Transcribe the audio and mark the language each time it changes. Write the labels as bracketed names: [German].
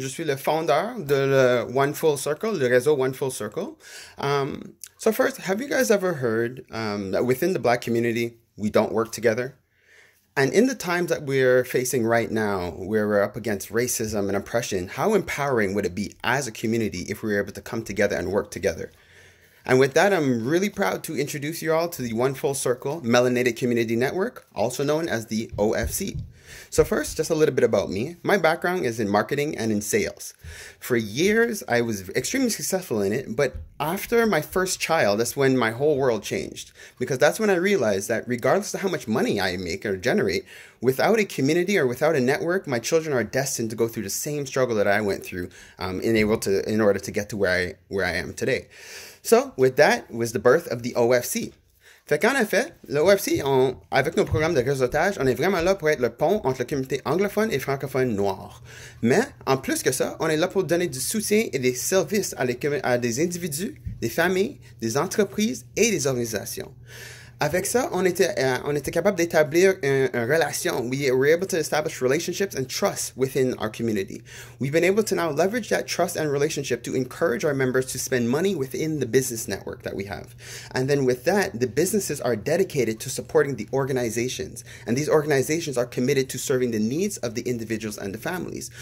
[French] Je suis le fondeur de le One Full Circle, le réseau One Full Circle. [English] So first, have you guys ever heard that within the Black community, we don't work together? And in the times that we're facing right now, where we're up against racism and oppression, how empowering would it be as a community if we were able to come together and work together? And with that, I'm really proud to introduce you all to the One Full Circle Melanated Community Network, also known as the OFC. So first, just a little bit about me. My background is in marketing and in sales. For years, I was extremely successful in it, but after my first child, that's when my whole world changed. Because that's when I realized that regardless of how much money I make or generate, without a community or without a network, my children are destined to go through the same struggle that I went through, in order to get to where I am today. So with that was the birth of the OFC. [French] Fait qu'en effet, l'OFC, avec nos programmes de réseautage, on est vraiment là pour être le pont entre la communauté anglophone et francophone noire. Mais en plus que ça, on est là pour donner du soutien et des services à des individus, des familles, des entreprises et des organisations. Avec ça, on était capable d'établir une relation. [English] We were able to establish relationships and trust within our community. We've been able to now leverage that trust and relationship to encourage our members to spend money within the business network that we have. And then with that, the businesses are dedicated to supporting the organizations. And these organizations are committed to serving the needs of the individuals and the families.